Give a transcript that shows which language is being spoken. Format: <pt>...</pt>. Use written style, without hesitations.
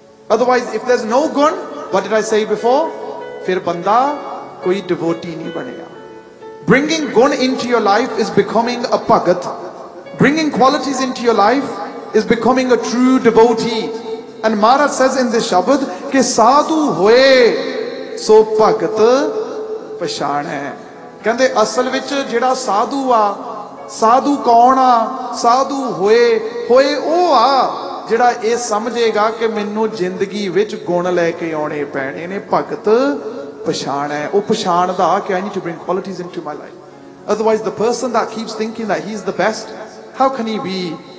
<en>Otherwise if there's no gun, what did I say before?</en> <pa>Fir banda koi devotee nahi banega.</pa> <en>Bringing gun into your life is becoming a bhagat. Bringing qualities into your life is becoming a true devotee. And Maharaj says in this shabad</en> <pa>ke sadhu hoye ਸੋ ਭਗਤ ਪਛਾਣੈ। ਕਹਿੰਦੇ ਅਸਲ ਵਿੱਚ ਜਿਹੜਾ ਸਾਧੂ ਆ, ਸਾਧੂ ਕੌਣ ਆ, ਸਾਧੂ ਹੋਏ ਹੋਏ ਉਹ ਆ ਜਿਹੜਾ ਇਹ ਸਮਝੇਗਾ ਕਿ ਮੈਨੂੰ ਜ਼ਿੰਦਗੀ ਵਿੱਚ ਗੁਣ ਲੈ ਕੇ ਆਉਣੇ ਪੈਣੇ ਨੇ। ਭਗਤ ਪਛਾਣੈ, ਉਹ ਪਛਾਣਦਾ ਕਿ</pa> <en>I need to bring qualities into my life, otherwise the person that keeps thinking that he is the best, how can he be?</en>